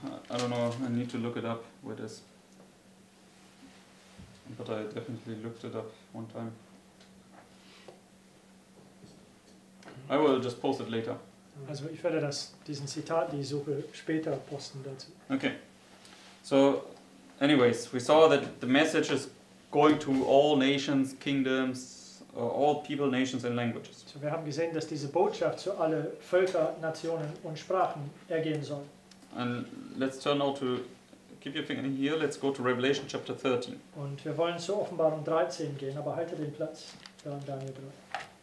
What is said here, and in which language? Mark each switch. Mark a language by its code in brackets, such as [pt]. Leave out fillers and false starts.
[en] I don't know, I need to look it up where it is. But I definitely looked it up one time. I will just post it later. [de] Also ich werde das, diesen Zitat, die Suche später posten dazu. [en] Okay. So, anyways, we saw that the message is going to all nations, kingdoms, all people, nations and languages. [de] So wir haben gesehen, dass diese Botschaft zu alle Völker, Nationen und Sprachen ergehen soll. [en] And let's turn now to, keep your finger here, let's go to Revelation chapter 13. [de] Und wir wollen zur Offenbarung 13 gehen, aber halte den Platz, Daniel 3.